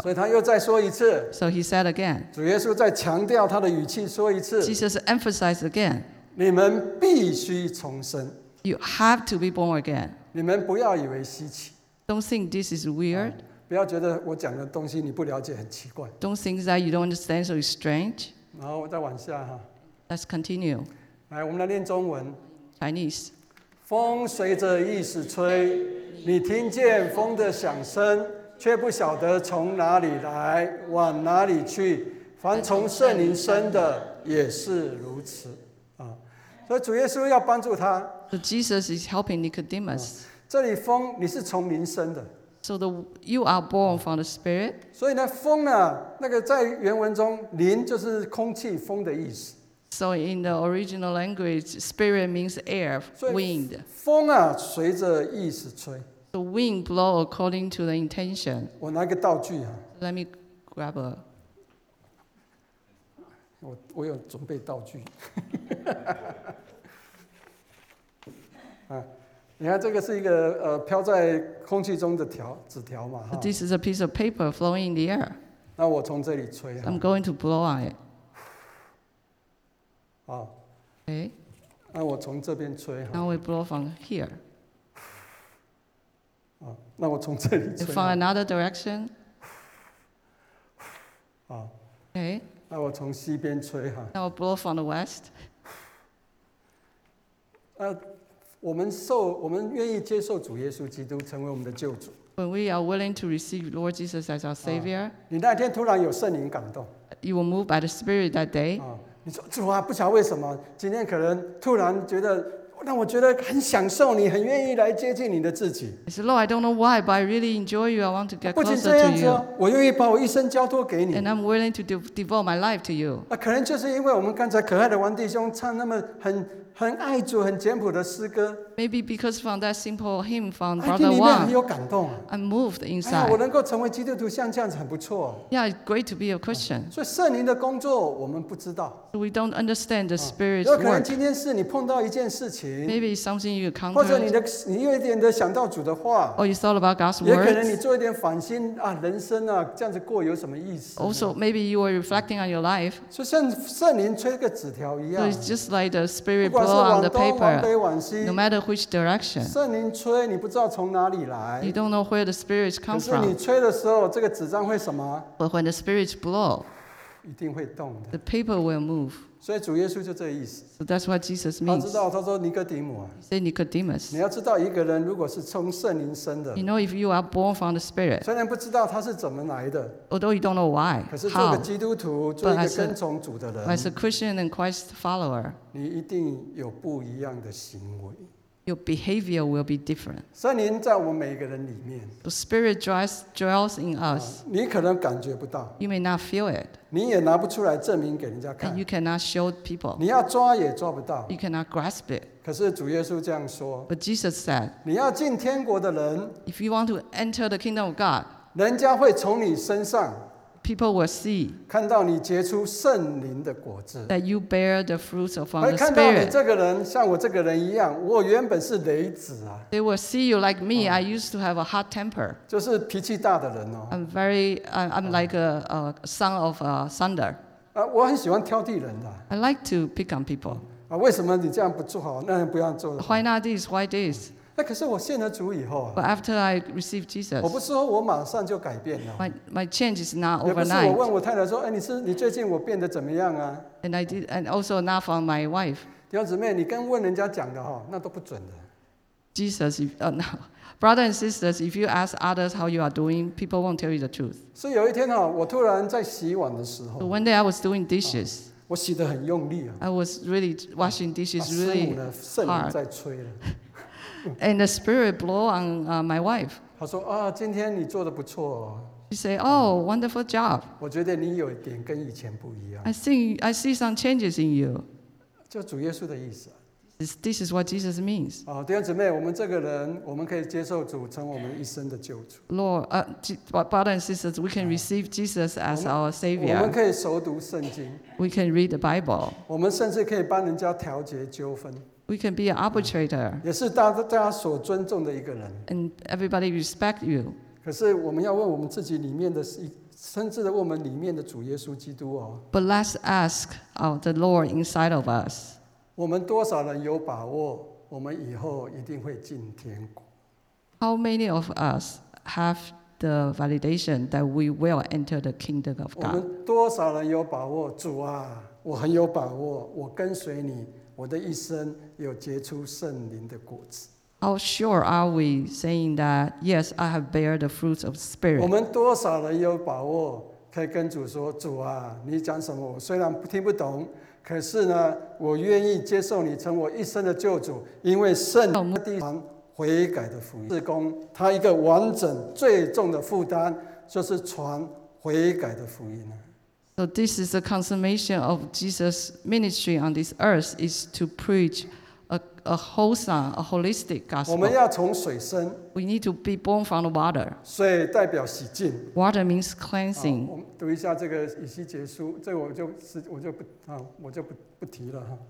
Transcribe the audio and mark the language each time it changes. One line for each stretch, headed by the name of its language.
Chinese: 所以他又再说一次。
English: So he said again.
Chinese: 主耶稣再强调他的语气说一次。
English: Jesus emphasized again.
Chinese: 你们必须重生。
English: You have to be born again.
Chinese: 你们不要以为稀奇。
English: Don't think this is weird.
Chinese: 不要觉得我讲的东西你不了解很奇怪。
English: Don't think that you don't understand so it's strange.
Chinese: 然后再往下哈。
English: Let's continue.
Chinese: 来，我们来念中文。
English: Chinese.
Chinese: 风随着意识吹，你听见风的响声，却不晓得从哪里来，往哪里去。凡从圣灵生的也是如此。所以主耶稣要帮助他，
English: So Jesus is helping Nicodemus.
Chinese: 这里风你是从灵生的。
English: So the, you are born from the spirit.
Chinese: 所以呢风呢那个在原文中灵就是空气风的意思。
English: So in the original language, spirit means air, wind.
Chinese: 风啊随着意思吹。
English: The wind blow according to the intention.
Chinese: 我拿个道具啊。
English: Let me grab a...
Chinese: 我有准备道具。你看这个是一个飘在空气中的条纸条嘛。
English: This is a piece of paper flowing in the air.
Chinese: 那我从这里吹。
English: I'm going to blow on it.
Chinese: 好。
English: Okay.
Chinese: 那我从这边吹。
English: Now we blow from here.
Chinese: 好，那我从这里吹。
English: From another direction.
Chinese: 好。
English: Okay.
Chinese: 那我从西边吹哈。
English: Now we blow from the west.
Chinese: 我们愿意接受主耶稣基督成为我们的救主。
English: When we are willing to receive Lord Jesus as our Savior,
Chinese: 你那天突然有圣灵感动。
English: You were moved by the Spirit that day.
Chinese: 你说主啊，不晓得为什么，今天可能突然觉得，让我觉得很享受你，很愿意来接近你的自己。
English: I said, Lord, I don't know why, but I really enjoy you. I want to get closer to you.
Chinese: 不仅这样子，我愿意把我一生交托给你。
English: And I'm willing to devote my life to you.
Chinese: 可能就是因为我们刚才可爱的王弟兄唱那么很爱主、很简朴的诗歌。
English: Maybe because from that simple hymn from Brother Wang,
Chinese: 很有感动。
English: I'm moved inside.
Chinese: 我能够成为基督徒，像这样子很不错。
English: Yeah, it's great to be a Christian.
Chinese: 所以圣灵的工作我们不知道。
English: We don't understand the Spirit's work.
Chinese: 有可能今天是你碰到一件事情。
English: Maybe something you encounter.
Chinese: 或者你有一点的想到主的话。
English: Or you thought about God's words.
Chinese: 也可能你做一点反省啊，人生啊这样子过有什么意思
English: ？Also, maybe you are reflecting on your life.
Chinese: 就像圣灵吹个纸条一样。
English: So it's just like the Spirit blow on the paper. No matter which direction.
Chinese: 圣灵吹，你不知道从哪里来。
English: You don't know where the Spirit comes from.
Chinese: 可是你吹的时候，这个纸张会什么
English: ？But when the Spirit blow.
Chinese: 一定会动的。
English: The paper will move.
Chinese: 所以主耶稣就这意思。
English: So that's what Jesus means.
Chinese: 他知道，他说尼哥底母啊。
English: He said Nicodemus.
Chinese: 你要知道，一个人如果是从圣灵生的。
English: You know if you are born from the Spirit.
Chinese: 虽然不知道他是怎么来的。
English: Although you don't know why.
Chinese: 可是做个基督徒，做一个跟从主的人。
English: As a Christian and Christ follower.
Chinese: 你一定有不一样的行为。
English: Your behavior will be different.
Chinese: 圣灵在我们每个人里面。
English: The Spirit dwells in us.
Chinese: 你可能感觉不到。
English: You may not feel it.
Chinese: 你也拿不出来证明给人家看。
English: And you cannot show people.
Chinese: 你要抓也抓不到。
English: You cannot grasp it.
Chinese: 可是主耶稣这样说。
English: But Jesus said,
Chinese: 你要进天国的人。
English: If you want to enter the kingdom of God,
Chinese: 人家会从你身上。
English: People will see
Chinese: 看到你结出圣灵的果子
English: that you bear the fruits of the Spirit.
Chinese: 看到你这个人像我这个人一样，我原本是雷子啊。
English: They will see you like me. I used to have a hot temper.
Chinese: 就是脾气大的人哦。
English: I'm like a son of a thunder.
Chinese: 我很喜欢挑剔人的。
English: I like to pick on people.
Chinese: 为什么你这样不做好，那样不要做
English: ？Why not this? Why this?
Chinese: 可是我信了主以后、
English: But after I received Jesus,
Chinese: 我不是说我马上就改变了。
English: My change is not overnight.
Chinese: 也不是我问我太太说，哎，你最近我变得怎么样啊？
English: And I did, and also not from my wife.
Chinese: 弟兄姊妹，你跟问人家讲的哈，那都不准的。
English: Jesus, brother and sisters, if you ask others how you are doing, people won't tell you the truth.
Chinese: 所以有一天哈，我突然在洗碗的时候
English: ，So one day I was doing dishes.
Chinese: 我洗得很用力啊。
English: I was really washing dishes really hard.
Chinese: 师母呢，圣灵在吹了。
English: And the spirit blow on my wife.
Chinese: 她说啊，今天你做的不错。
English: She say, oh, wonderful job.
Chinese: 我觉得你有一点跟以前不一样。
English: I see some changes in you.
Chinese: 就主耶稣的意思。
English: This is what Jesus means.
Chinese: 哦，弟兄姊妹，我们这个人，我们可以接受主成我们一生的救主。
English: Brother and sisters, we can receive Jesus as our Savior.
Chinese: 我们可以熟读圣经。
English: We can read the Bible.
Chinese: 我们甚至可以帮人家调解纠纷。
English: We can be an arbitrator.
Chinese: 也是大家所尊重的一个人。
English: And everybody respect you.
Chinese: 可是我们要问我们自己里面的，甚至问我们里面的主耶稣基督哦。
English: But let's ask the Lord inside of us.
Chinese: 我们多少人有把握，我们以后一定会进天国
English: ？How many of us have the validation that we will enter the kingdom of God?
Chinese: 我们多少人有把握？主啊，我很有把握，我跟随你。我的一生有结出圣灵的果子。
English: How sure are we saying that yes, I have bear the fruits of spirit?
Chinese: 我们多少人有把握可以跟主说，主啊，你讲什么我虽然听不懂，可是呢，我愿意接受你成我一生的救主，因为圣灵的地方悔改的福音事工，他一个完整最重的负担就是传悔改的福音。
English: So this is the consummation of Jesus' ministry on this earth, is to preach a wholesome, a holistic gospel.
Chinese: 我们要从水生。
English: We need to be born from the water.
Chinese: 水代表洗净。
English: Water means cleansing.
Chinese: 我们读一下这个以西结书，这我就不提了。